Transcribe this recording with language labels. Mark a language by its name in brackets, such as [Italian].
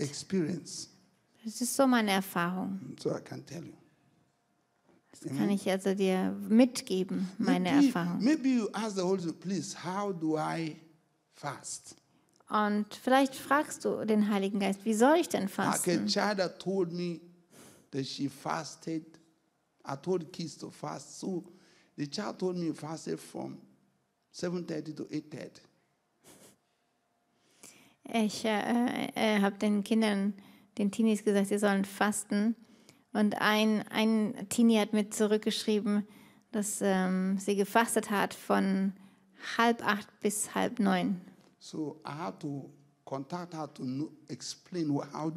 [English] Experience. [German] Das ist so meine Erfahrung. [English] So I can tell you. [German] Das kann ich also dir mitgeben, meine Erfahrung. [English] Maybe you ask the Holy Spirit, please, how do I fast? [German] Und vielleicht fragst du den Heiligen Geist, wie soll ich denn fasten? [English] A child told me that she fasted. I told kids to fast. So the child told me fasted from 7:30 to 8:30. [German] Ich habe den Kindern, den Teenies gesagt, sie sollen fasten. Und ein Teenie hat mir zurückgeschrieben, dass sie gefastet hat von 7:30 bis 8:30. [English] So I had to contact her to explain how.